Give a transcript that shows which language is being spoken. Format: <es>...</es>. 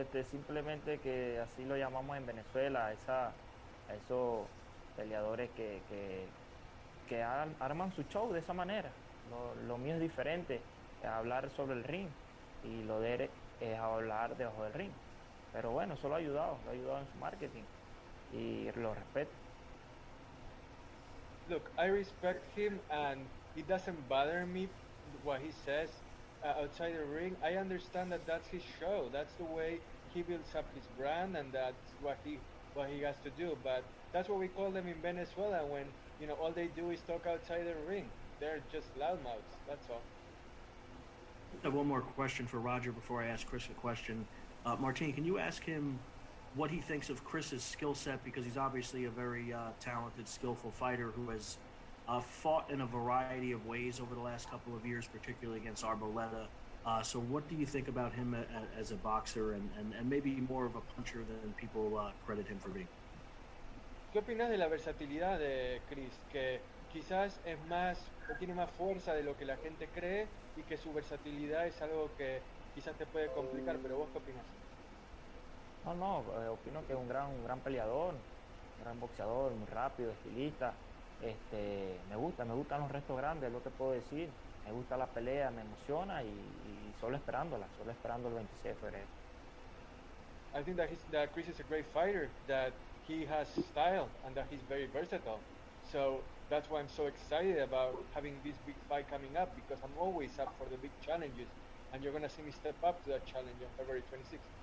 <es>Simplemente que así lo llamamos en Venezuela, a esos peleadores que arman su show de esa manera. Lo mío es diferente, hablar sobre el ring, y lo de él es hablar debajo del ring. Pero bueno, eso lo ha ayudado en su marketing, y lo respeto.</es> <en>Look, I respect him, and it doesn't bother me what he says outside the ring. I understand that that's his show, that's the way he builds up his brand, and that's what he has to do. But that's what we call them in Venezuela, when, you know, all they do is talk outside the ring. They're just loudmouths, that's all. I have one more question for Roger before I ask Chris a question. Martin, can you ask him what he thinks of Chris's skill set? Because he's obviously a very talented, skillful fighter who has fought in a variety of ways over the last couple of years, particularly against Arboleda. So what do you think about him as a boxer and maybe more of a puncher than people credit him for being?</en> <es>¿Qué opinas de la versatilidad de Chris? Que quizás es más, que tiene más fuerza de lo que la gente cree y que su versatilidad es algo que quizás te puede complicar, pero vos qué opinas? No, opino que es un gran peleador, un gran boxeador, muy rápido, estilista. Me gustan los restos grandes, lo que puedo decir. Me gusta la pelea, me emociona y solo esperando el 26 de febrero.</es> <en>I think that Chris is a great fighter, that he has style and that he's very versatile. So that's why I'm so excited about having this big fight coming up, because I'm always up for the big challenges and you're going to see me step up to that challenge on February 26th.</en>